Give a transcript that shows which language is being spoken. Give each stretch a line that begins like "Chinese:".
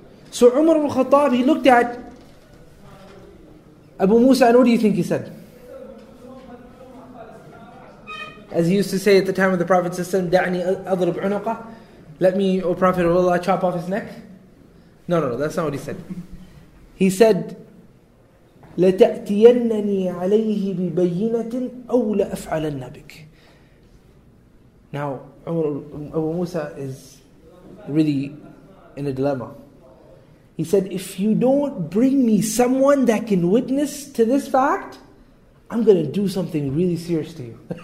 English: So Umar al-Khattab, he looked at Abu Musa, and what do you think he said? As he used to say at the time of the Prophet ﷺ,
Arabic: "Da'ni adrib 'unuqa,"
English: let me, O Prophet of Allah, chop off his neck. No, that's not what he said. He said,
Arabic: "لَتَأْتِيَنَّنِي عَلَيْهِ بِبَيِّنَةٍ أَوْ لَأَفْعَلَنَّ بِكَ."
English: Now, Abu Musa is really in a dilemma. He said, if you don't bring me someone that can witness to this fact, I'm going to do something really serious to you.